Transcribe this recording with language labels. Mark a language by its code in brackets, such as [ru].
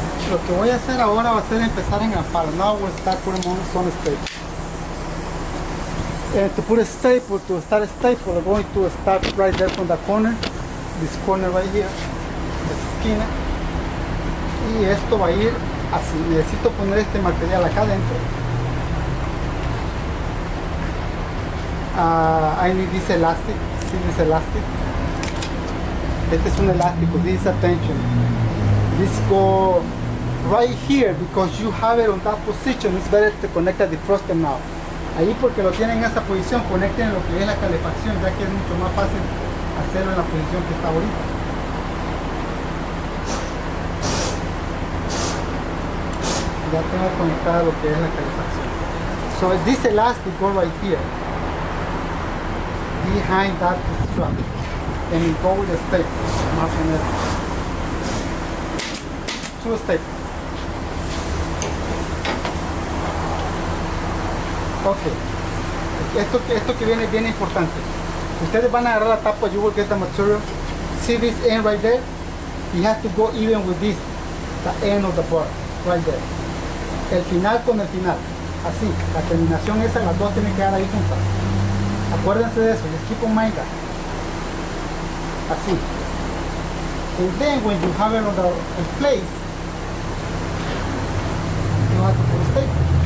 [es] Lo que voy a hacer ahora va a ser empezar en Amparo. [en] Now we'll start putting on some staples. And to put a staple, to start a staple, we're going to start right there from the corner. This corner right here. [es] La esquina. Y esto va a ir así. Necesito poner este material acá adentro. [en] I need this elastic. See this elastic? [es] Este es un elástico. [en] This is a tension. This go right here because you have it on that position. It's better to connect the defroster now. [es] Ahí porque lo tienen en esa posición, conecten lo que es la calefacción, ya que es mucho más fácil hacerlo en la posición que está ahorita. Ya tengo conectada lo que es la calefacción. [en] So this elastic go right here. Behind that structure. And go with the staple. [es] Más o menos. [en] Two staples. [es] Ok, esto que viene es bien importante. Ustedes van a agarrar la tapa, [en] you will get the material. See this end right there? You have to go even with this, the end of the bar, right there. [es] El final con el final, así, la terminación esa, las dos tienen que quedar ahí juntas. Acuérdense de eso, [en] just keep on mind that. [es] Así. [en] And then when you have it on the place, you have to put a staple.